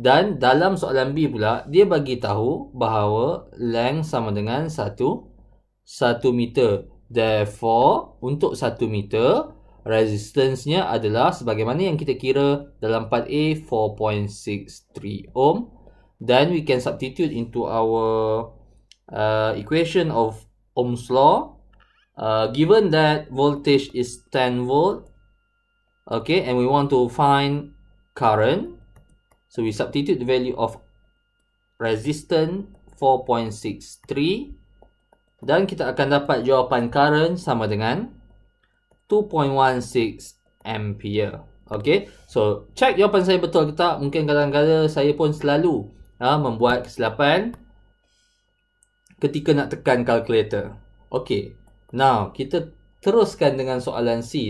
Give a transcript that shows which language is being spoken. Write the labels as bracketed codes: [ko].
[ms] Dan dalam soalan B pula, dia bagi tahu bahawa length sama dengan 1 meter. Therefore, untuk 1 meter, resistance-nya adalah sebagaimana yang kita kira dalam part A, 4.63 ohm. [en] Then we can substitute into our equation of Ohm's law. Given that voltage is 10 volt, okay, and we want to find current, so we substitute the value of resistance 4.63. [ms] Dan kita akan dapat jawapan current sama dengan 2.16 ampere. Okay, so check jawapan saya betul ke tak. Mungkin kadang-kadang saya pun selalu membuat kesilapan. ketika nak tekan calculator. Okay, now kita teruskan dengan soalan C.